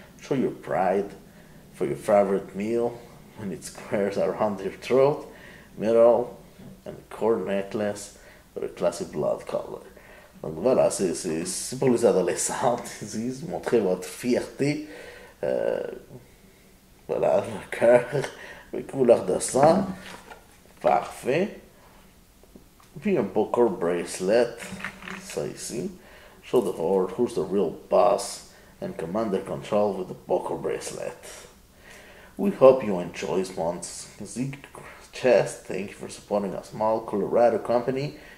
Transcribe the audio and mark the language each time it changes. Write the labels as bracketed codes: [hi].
[en] Show your pride for your favorite meal when it squares around your throat. Middle and core necklace with a classic blood color. [fr] Donc voilà, c'est pour les adolescentes, ils disent, montrez votre fierté. Voilà, le cœur avec couleur de sang, parfait. Puis un poker bracelet, ça ici. [en] Show the horde who's the real boss and command their control with the poker bracelet. We hope you enjoy this month's Zeke chest. Thank you for supporting a small Colorado company.